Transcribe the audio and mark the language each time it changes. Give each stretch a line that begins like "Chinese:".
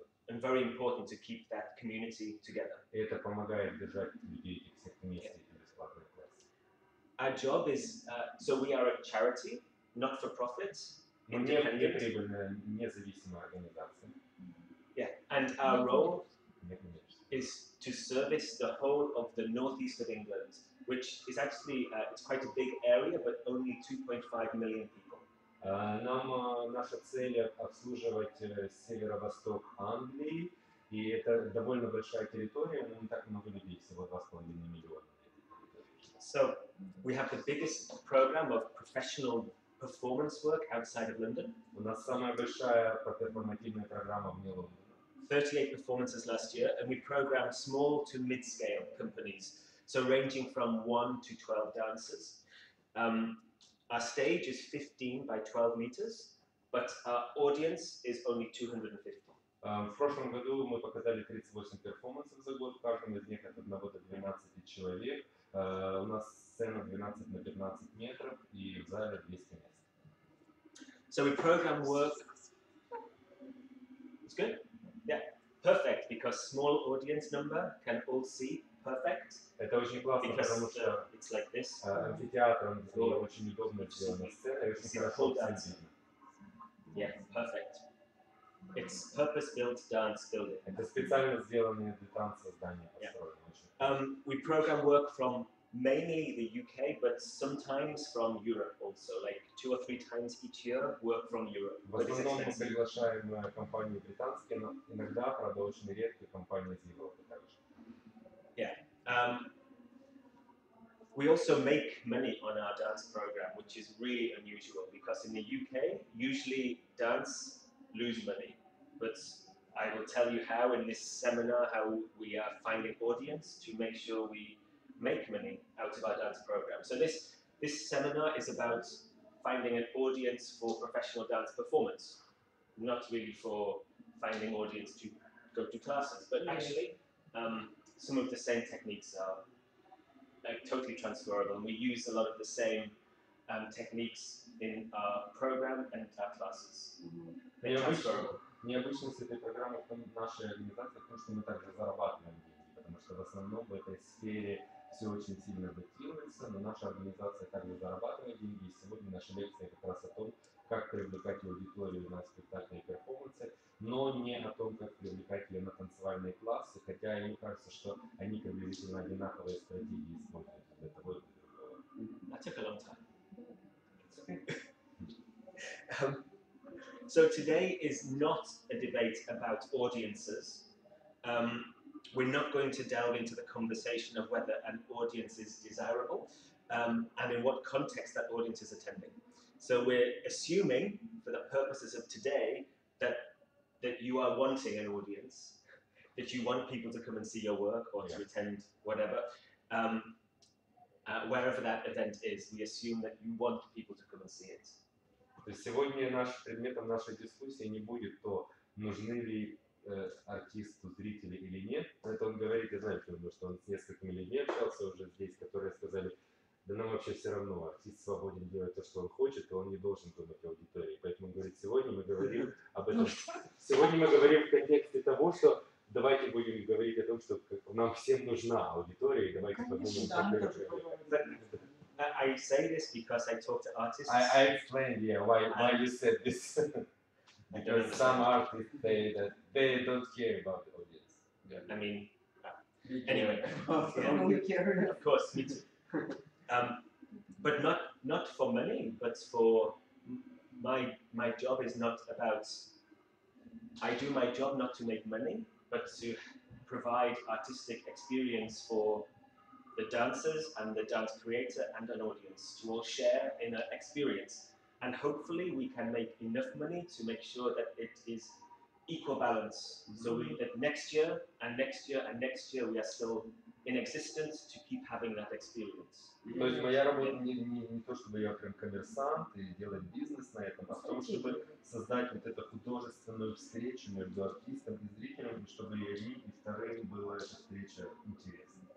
English: and very important to keep that community together.
Russian: Это помогает держать людей этих всех вместе в бесплатной классе.
English: Our job is so we are a charity, not for profit.
Russian: Мы неприбыльная, независимая организация.
English: Yeah, and our role is to service the whole of the northeast of England, which is actually it's quite a big area, but only 2.5 million people.
Russian: Нам наша цель обслуживать северо-восток Англии, и это довольно большая территория, но не так много людей, всего 2,5 миллиона.
English: So, we have the biggest program of professional performance work outside of London.
Russian: У нас самая большая перформативная программа вне Лондона.
English: 38 performances last year, and we program small to mid-scale companies, so ranging from 1 to 12 dancers. Our stage is 15 by 12 meters, but our audience is only 250.
Russian: В прошлом году мы показали 38 перформансов за год, в каждом из них от 1 до 12 человек. У нас сцена 12 на 15 метров и в зале 200 мест.
English: So we program work. It's good? Yeah, perfect, because small audience number can all see. Perfect.
Russian: Это очень классно,
English: because,
Russian: потому что
English: it's like this.
Russian: Амфитеатр он очень удобно сделан на сцене, и очень хорошо сцене.
English: Yeah, perfect. It's purpose-built dance building.
Russian: Это специально сделанное для танца здание построено.
English: Yeah. We program work from mainly the UK, but sometimes from Europe also, like 2 or 3 times each year, work from Europe.
Russian: В основном мы приглашаем компании британские, но иногда, правда, очень редко компании из Европы также.
English: Yeah. We also make money on our dance program, which is really unusual because in the UK, usually dance lose money. But I will tell you how in this seminar, how we are finding audience to make sure we make money out of our dance program. So this seminar is about finding an audience for professional dance performance, not really for finding audience to go to classes, but actually some of the same techniques are like totally transferable, and we use a lot of the same techniques in our program and our classes. They're transferable.
Russian: Необычность этой программы в нашей организации в том, что мы также зарабатываем деньги, потому что в основном в этой сфере все очень сильно адаптируется, но наша организация также зарабатывает деньги, и сегодня наша лекция как раз о том, как привлекать аудиторию на спектакльные перформансы, но не о том, как привлекать ее на танцевальные классы, хотя мне кажется, что они приблизительно одинаковые стратегии используют для того и для другого.
English: So today is not a debate about audiences. We're not going to delve into the conversation of whether an audience is desirable and in what context that audience is attending. So we're assuming, for the purposes of today, that you are wanting an audience, that you want people to come and see your work or to attend whatever. Wherever that event is, we assume that you want people to come and see it.
Russian: То есть сегодня наш предметом нашей дискуссии не будет то, нужны ли артисту зрители или нет. Это он говорит, я знаю, потому что он с несколькими людьми общался уже здесь, которые сказали, да нам вообще все равно, артист свободен делать то, что он хочет, и он не должен думать аудитории. Поэтому он говорит, сегодня мы говорим об этом. Сегодня мы говорим в контексте того, что давайте будем говорить о том, что нам всем нужна аудитория, и давайте подумаем, как это делать.
English: I say this because I talk to artists. I explained, why you said this. Because some artists say that they don't care about the audience. Yeah. I mean, anyway. Yeah. Of course, me too. But not for money, but for my job is not about... I do my job not to make money, but to provide artistic experience for the dancers and the dance creator and an audience to all share in an experience. And hopefully we can make enough money to make sure that it is equal balance. Mm-hmm. So that next year and next year and next year we are still in existence to keep having that experience.
Russian: То есть моя работа не то, чтобы я прям коммерсант и делать бизнес на этом, а в том, чтобы создать вот эту художественную встречу между артистом и зрителем, чтобы и вторым была эта встреча интересна.